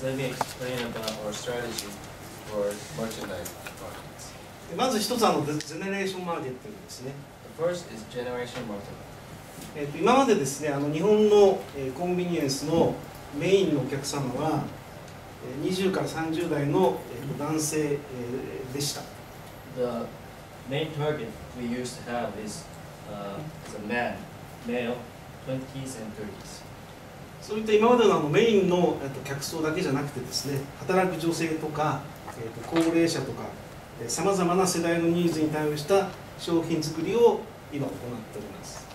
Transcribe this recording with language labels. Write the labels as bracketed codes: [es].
[en] Next, let me explain about our strategy for merchandise markets. [ja] まず一つはジェネレーションマーケティングですね。 [en] The first is generation marketing. [ja] 今までですね、日本のコンビニエンスのメインのお客様は20から30代の男性でした。 [en] The main target we used to have isa man, male, 20s and 30s. [ja] そういった今までのメインの客層だけじゃなくてですね、働く女性とか、高齢者とか、さまざまな世代のニーズに対応した商品作りを今行っております。